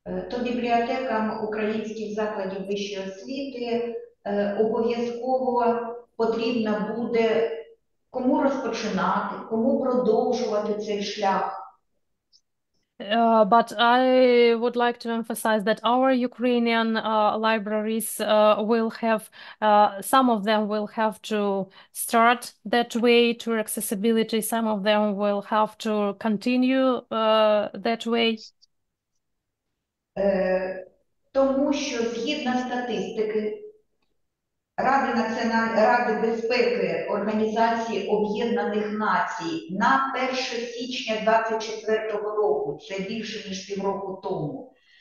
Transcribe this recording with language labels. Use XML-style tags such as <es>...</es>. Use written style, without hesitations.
<uk>То бібліотекам українських закладів вищої освіти обов'язково потрібно буде кому розпочинати, кому продовжувати цей шлях.</uk> <en>But I would like to emphasize that our Ukrainian libraries will have, some of them will have to start that way to accessibility, some of them will have to continue that way.</en> <uk>Тому що згідно статистики Ради національної Ради безпеки Організації Об'єднаних Націй на 1 січня 2024 року, це більше ніж півроку тому,</uk>